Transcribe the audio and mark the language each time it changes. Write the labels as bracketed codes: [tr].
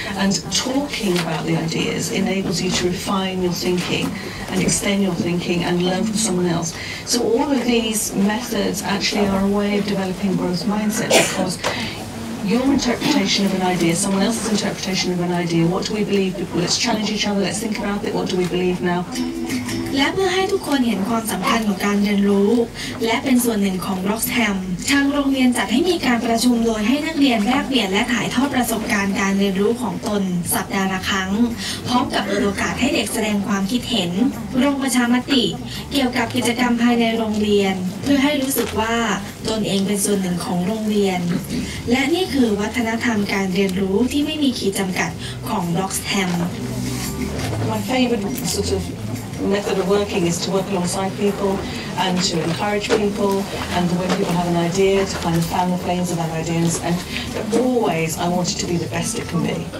[en] And talking about the ideas enables you to refine your thinking and extend your thinking and learn from someone else. So all of these methods actually are a way of developing growth mindset, because your interpretation of an idea, someone else's interpretation of an idea, what do we believe people? Let's challenge each other, let's think about it, what do we believe now? [th] และเพื่อให้ทุกคนเห็นความสำคัญของการเรียนรู้และเป็นส่วนหนึ่งของ Wroxham ทางโรงเรียนจัดให้มีการประชุมโดยให้นักเรียนแลกเปลี่ยนและถ่ายทอดประสบการณ์การเรียนรู้ของตนสัปดาห์ละครั้งพร้อมกับเปิดโอกาสให้เด็กแสดงความคิดเห็นลงประชามติเกี่ยวกับกิจกรรมภายในโรงเรียนเพื่อให้รู้สึกว่าตนเองเป็นส่วนหนึ่งของโรงเรียนและนี่คือวัฒนธรรมการเรียนรู้ที่ไม่มีขีดจำกัดของ Wroxham [en] My favoriteMethod of working is to work alongside people and to encourage people, and when people have an idea, to find the family planes of that idea. And always, I want it to be the best it can be.